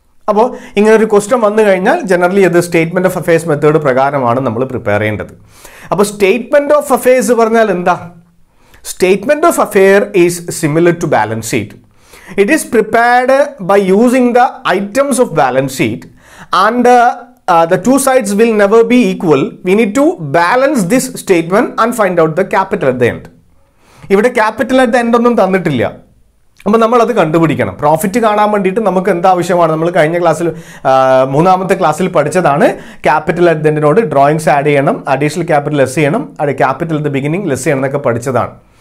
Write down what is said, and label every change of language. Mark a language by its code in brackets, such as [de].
[ml] അപ്പോൾ ഇങ്ങനൊരു ക്വസ്റ്റൻ വന്നു കഴിഞ്ഞാൽ ജനറലി അത് സ്റ്റേറ്റ്മെൻ്റ് ഓഫ് അഫേഴ്സ് മെത്തേഡ് പ്രകാരമാണ് നമ്മൾ പ്രിപ്പയർ ചെയ്യേണ്ടത്. അപ്പോൾ [en] statement of affairs [ml] പറഞ്ഞാൽ എന്താ? [en] Statement of affair is similar to balance sheet. It is prepared by using the items of balance sheet and the two sides will never be equal. We need to balance this statement and find out the capital at the end. [ml] ഇവിടെ capital at the end ഒന്നും തന്നിട്ടില്ല. അപ്പോൾ നമ്മൾ അത് കണ്ടുപിടിക്കണം. Profit കാണാൻ വേണ്ടിയിട്ട് നമുക്ക് എന്താവശ്യമാണ്? നമ്മൾ കഴിഞ്ഞ ക്ലാസ്സിൽ 3-ാമത്തെ ക്ലാസ്സിൽ പഠിച്ചതാണ് capital at the എൻഡിനോട് drawings add ചെയ്യണം, അഡീഷണൽ ക്യാപിറ്റൽ ലെസ് ചെയ്യണം, അത് capital at the beginning less ചെയ്യണം എന്നൊക്കെ പഠിച്ചതാണ്.